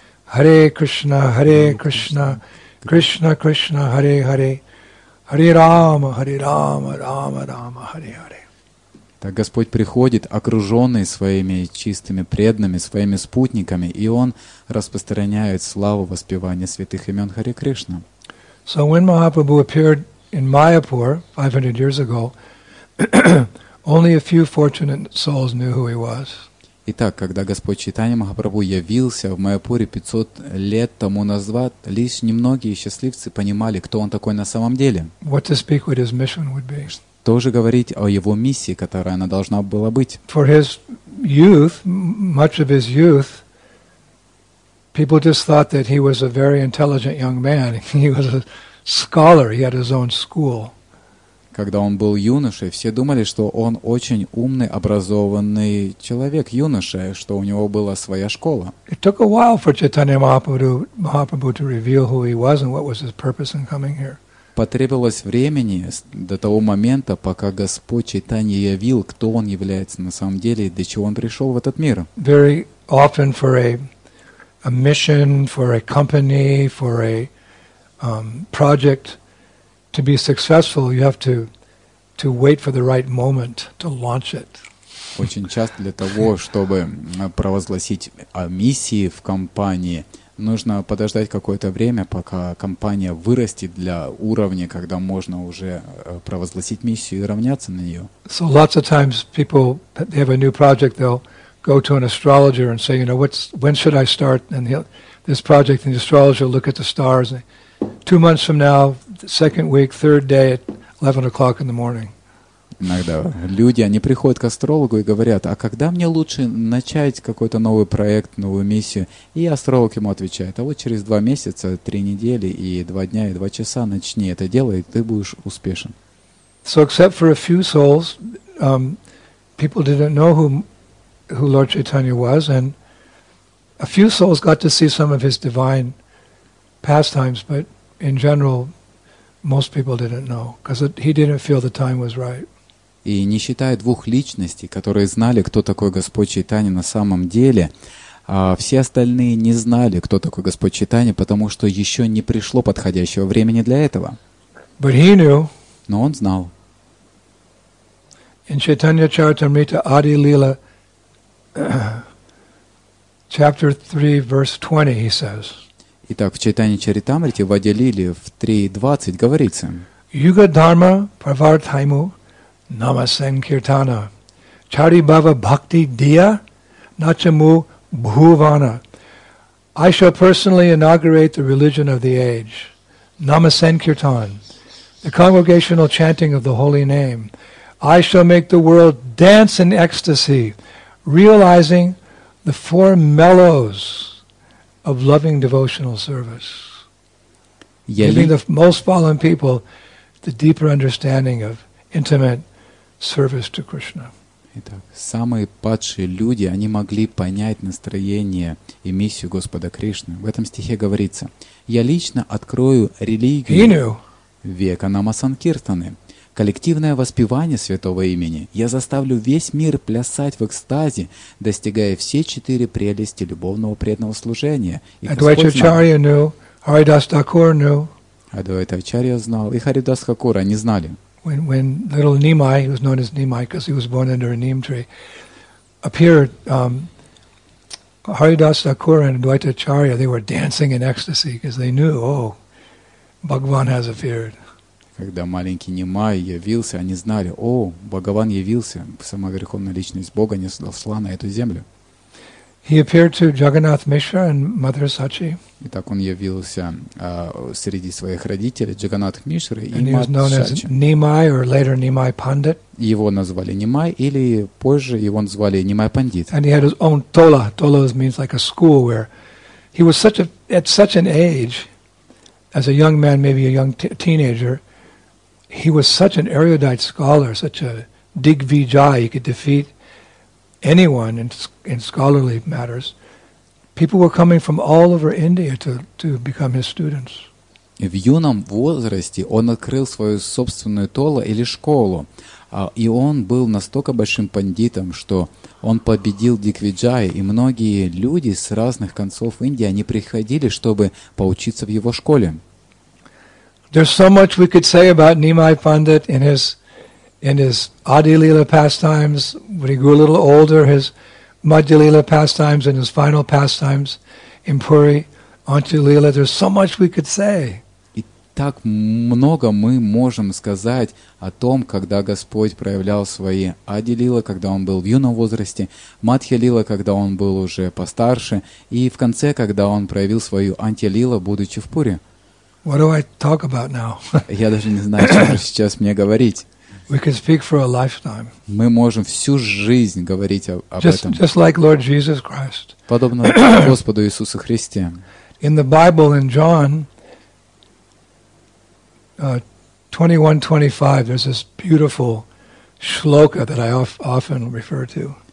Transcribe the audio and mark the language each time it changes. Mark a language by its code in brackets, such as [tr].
[sa] Hare Krishna, Hare Krishna, Krishna Krishna, Hare Hare, Hare Rama, Hare Rama, Rama Rama, Hare Hare. [ru] Так Господь приходит, окруженный своими чистыми преданными, своими спутниками, и Он распространяет славу воспевания святых имен Харе Кришна. [en] So when Mahaprabhu appeared in Mayapur 500 years ago, only a few fortunate souls knew who he was. [ru] Итак, когда Господь Чайтанья Махапрабху явился в Майяпуре 500 лет тому назад, лишь немногие счастливцы понимали, кто Он такой на самом деле. [en] What to speak with his mission would be. [ru] Тоже говорить о его миссии, которая она должна была быть. [en] For his youth, much of his youth, people just thought that he was a very intelligent young man. He was a scholar. He had his own school. [ru] Когда он был юношей, все думали, что он очень умный, образованный человек, юноша, что у него была своя школа. [en] It took a while for Chaitanya Mahaprabhu to reveal who he was and what was his purpose in coming here. [ru] Потребовалось времени до того момента, пока Господь Чайтанья явил, кто Он является на самом деле и для чего Он пришел в этот мир. [en] Very often for a mission, for a company, for a project to be successful, you have to wait for the right moment to launch it. [ru] Очень часто для того, чтобы провозгласить о миссии в компании, нужно подождать какое-то время, пока компания вырастет для уровня, когда можно уже провозгласить миссию и равняться на нее. [en] So lots of times people, they have a new project, they'll go to an astrologer and say, you know, when should I start? And this project, and the astrologer will look at the stars. And 2 months from now, second week, third day at 11 o'clock in the morning. [ru] Иногда люди, они приходят к астрологу и говорят, а когда мне лучше начать какой-то новый проект, новую миссию? И астролог ему отвечает, а вот через 2 месяца, 3 недели и 2 дня и 2 часа начни это дело, и ты будешь успешен. [en] So except for a few souls, people didn't know who Lord Chaitanya was, and a few souls got to see some of his divine pastimes, but in general, most people didn't know, because he didn't feel the time was right. [ru] И не считая 2 личностей, которые знали, кто такой Господь Чайтанья на самом деле, все остальные не знали, кто такой Господь Чайтанья, потому что еще не пришло подходящего времени для этого. [en] But he knew. [ru] Но он знал. [en] In Chaitanya Charitamrita Adi Lila, chapter 3, verse 20, he says. [ru] Итак, в Чайтанья Чаритамрите, в Ади Лиле, в 3.20 говорится. [sa] Юга Дхарма Праварthайму Намасен Киртана Чари Бхава Бхакти Дия Начаму Бхувана. [en] I shall personally inaugurate the religion of the age. Намасен Киртан, the congregational chanting of the holy name. I shall make the world dance in ecstasy, realizing the 4 mellows of loving devotional service. Giving the most fallen people the deeper understanding of intimate service to Krishna. [ru] Итак, самые падшие люди, они могли понять настроение и миссию Господа Кришны. В этом стихе говорится, я лично открою религию. [en] He knew. [sa] Веканама Санкиртаны. [ru] Коллективное воспевание святого имени. Я заставлю весь мир плясать в экстазе, достигая все четыре прелести любовного преданного служения. Адвайта Ачарья знал, и Харидас Хакур, они знали. [en] When little Nimai, who was known as Nimai because he was born under a neem tree, appeared, Haridas Thakur and Dvaitacharya, they were dancing in ecstasy because they knew, oh, Bhagavan has appeared. [ru] Когда маленький Нимай явился, они знали, о, Бхагаван явился, сама верховная личность Бога не сошла на эту землю. [en] He appeared to Jagannath Mishra and Mother Sachi. [ru] И так он явился среди своих родителей Джаганнатх Мишры и [en] Матри Сачи. And he was known as Nimai or later Nimai Pandit. [ru] Его назвали Нимай или позже его назвали Нимай Пандит. [en] And he had his own tola. Tola means like a school where he was such a at such an age as a young man, maybe a young teenager. He was such an erudite scholar, such a digvijaya. He could defeat anyone in scholarly matters. People were coming from all over India to become his students. [ru] В юном возрасте он открыл свою собственную толу или школу, и он был настолько большим пандитом, что он победил дигвиджая, и многие люди с разных концов Индии они приходили, чтобы поучиться в его школе. [en] There's so much we could say about Nimai Pandit in his Adilila pastimes. When he grew a little older, his Madhyalila pastimes and his final pastimes in Puri, Anchalila. There's so much we could say. [ru] И так много мы можем сказать о том, когда Господь проявлял свои Адилила, когда он был в юном возрасте, Мадхилила, когда он был уже постарше, и в конце, когда он проявил свою Анчалила, будучи в Пури. [en] What do I talk about now? [ru] Я даже не знаю, что сейчас мне говорить. [en] We can speak for a lifetime. [ru] Мы можем всю жизнь говорить об этом. [en] Just like Lord Jesus Christ. [ru] Подобно Господу Иисусу Христе. [en] In the Bible, in John 21:25, there's this beautiful shloka that I often refer to.